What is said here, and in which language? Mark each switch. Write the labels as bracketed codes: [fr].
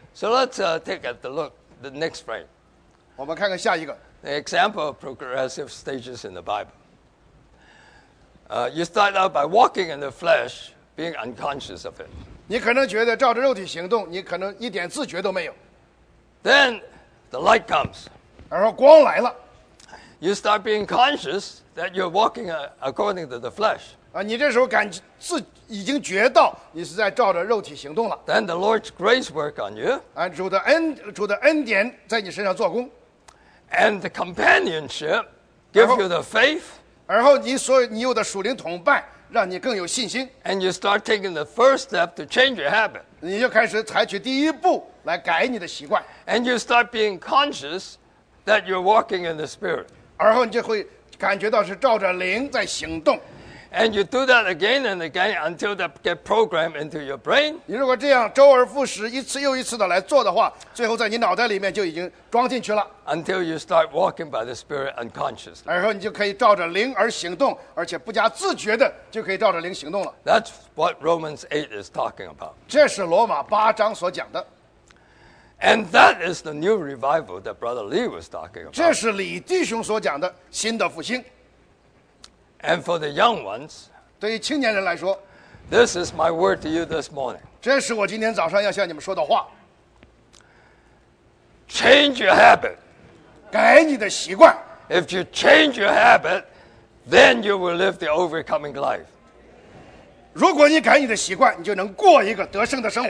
[en] So let's take a look at the next frame. [zh] 我们看看下一个。 [en] The example of progressive stages in the Bible. You start out by walking in the flesh. Being unconscious of it. [zh] 你可能觉得照着肉体行动，你可能一点自觉都没有。 [en] Then the light comes. [zh] 然后光来了。 [en] You start being conscious that you're walking according to the flesh. [zh] 你这时候感觉自已经觉到你是在照着肉体行动了。 [en] Then the Lord's grace work on you. [zh] 主的恩典在你身上做工。 [en] And the companionship give you the faith. [zh] 然后你有的属灵同伴。让你更有信心。 [en] And you start taking the first step to change your habit. [zh] 你就开始采取第一步来改你的习惯。 [en] And you start being conscious that you're walking in the spirit. [zh] 而后你就会感觉到是照着灵在行动。 [en] And you do that again and again until that get programmed into your brain. [zh] 你如果这样周而复始一次又一次的来做的话，最后在你脑袋里面就已经装进去了。 [en] Until you start walking by the spirit unconsciously. [zh] 然后你就可以照着灵而行动，而且不加自觉的就可以照着灵行动了。 [en] That's what Romans 8 is talking about. [zh] 这是罗马八章所讲的。 [en] And that is the new revival that Brother Lee was talking about. [zh] 这是李弟兄所讲的新的复兴。 [en] And for the young ones, [zh] 对于青年人来说 [en] this is my word to you this morning. [zh] 这是我今天早上要向你们说的话。 [en] Change your habit. [zh] 改你的习惯。 [en] If you change your habit, then you will live the overcoming life. [zh] 如果你改你的习惯，你就能过一个得胜的生活。